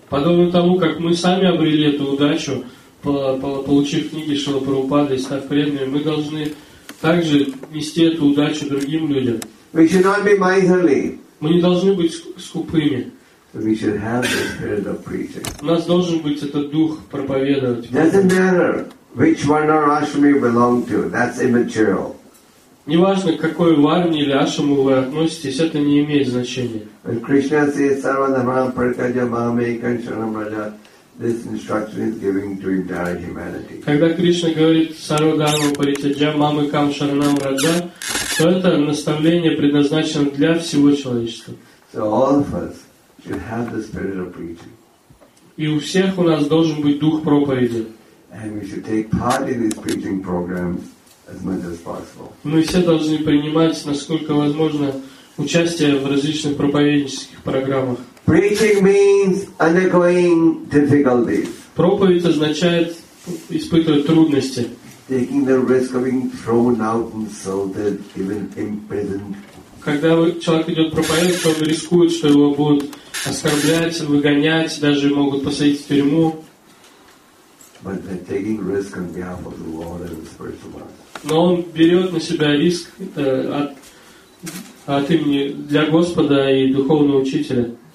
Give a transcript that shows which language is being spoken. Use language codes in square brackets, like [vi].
[ru] Подобно тому, как мы сами обрели эту удачу, получив книги Шрилы Прабхупады и став преданными, мы должны также нести эту удачу другим людям. [en] We should not be miserly. [ru] Мы не должны быть скупыми. [en] We should have the spirit of preaching. [ru] У нас должен быть этот дух проповедовать. [en] Doesn't matter which varna or ashram you belong to. That's immaterial. [ru] Неважно, к какой варне или ашраму вы относитесь, это не имеет значения. [en] When Krishna says [sa] sarvadharmam prakajamame kanchanam raja, [en] this instruction is giving to entire humanity. [ru] Когда Кришна говорит [sa] сарвадхармам прикаджамаме камшаранам раджа, [ru] то это наставление предназначено для всего человечества. [en] So all of us should have the spirit of preaching. [ru] И у всех у нас должен быть дух проповеди. [en] And we should take part in these preaching programs as much as possible. [ru] Мы все должны принимать, насколько возможно, участие в различных проповеднических программах. [en] Preaching means undergoing difficulties. [ru] Проповедь означает испытывать трудности. [en] Taking the risk of being thrown out, insulted, even imprisoned. [ru] Когда человек идет проповедовать, то он рискует, что его будут оскорблять, выгонять, даже могут посадить в тюрьму. [en] But they're taking risk on behalf of the Lord and the spiritual master. [ru] Но он берет на себя риск от имени для Господа и духовного учителя.